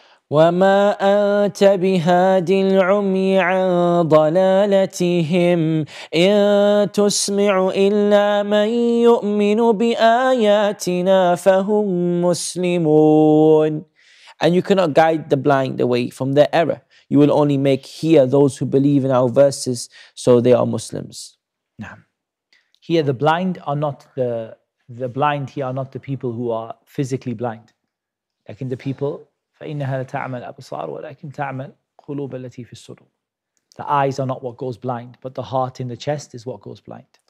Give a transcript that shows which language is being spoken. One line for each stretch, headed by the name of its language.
Arabic: وَمَا أَنْتَ بِهَادِ الْعُمْيِ عَنْ ضَلَالَتِهِمْ إِنْ تُسْمِعُ إِلَّا مَنْ يُؤْمِنُ بِآيَاتِنَا فَهُمْ مُسْلِمُونَ.
English: And you cannot guide the blind away from their error. You will only make hear those who believe in our verses, so they are Muslims. Nah. Here the blind are not the blind here are not the people who are physically blind. Like in the people,
Arabic: فَإِنَّهَا لَتَعْمَ الْأَبْصَارُ وَلَكِمْ تَعْمَ الْقُلُوبَ الَّتِي فِي الصُّدُورِ.
English: The eyes are not what goes blind, but the heart in the chest is what goes blind.